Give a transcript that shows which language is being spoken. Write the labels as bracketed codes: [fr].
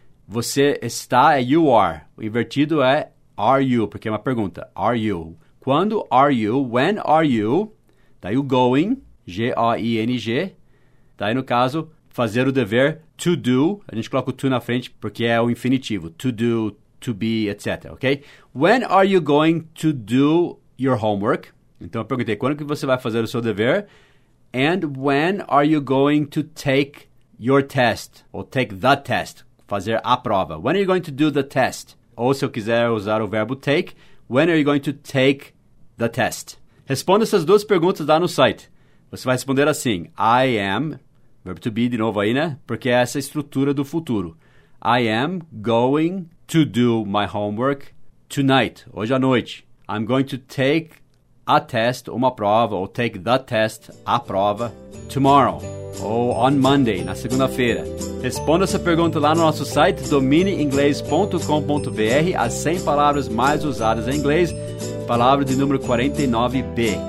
[pt] Você está é [en] you are. [pt] O invertido é [en] are you, [pt] porque é uma pergunta. [en] Are you? [pt] Quando [en] are you? When are you? [pt] Daí o [en] going, G-O-I-N-G. [pt] Daí no caso, fazer o dever, [en] to do. [pt] A gente coloca o to na frente porque é o infinitivo. [en] To do, to be, etc. Ok? When are you going to do your homework? [pt] Então, eu perguntei, quando que você vai fazer o seu dever? [en] And when are you going to take your test? [pt] Ou [en] take the test, [pt] fazer a prova. [en] When are you going to do the test? [pt] Ou se eu quiser usar o verbo take, [en] when are you going to take the test? [pt] Responda essas duas perguntas lá no site. Você vai responder assim, [en] I am, [pt] verbo to be de novo aí, né? Porque é essa estrutura do futuro. [en] I am going to do my homework tonight, [pt] hoje à noite. [en] I'm going to take a test, [pt] uma prova, ou [en] take the test, [pt] a prova, [en] tomorrow, [pt] ou [en] on Monday, [pt] na segunda-feira. Responda essa pergunta lá no nosso site, domineinglês.com.br, as 100 palavras mais usadas em inglês, palavra de número 49B.